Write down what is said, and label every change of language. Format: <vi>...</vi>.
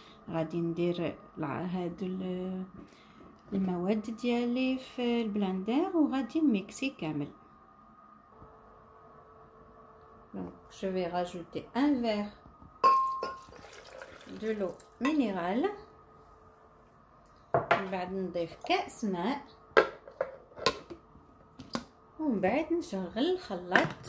<ar>غادي ندير هاد المواد ديالي في البلندر وغادي نميكسي كامل.</ar> <fr>Donc, je vais rajouter un verre de l'eau minérale.</fr> <ar>بعد نضيف كأس ماء ومن بعد نشغل الخلاط.</ar>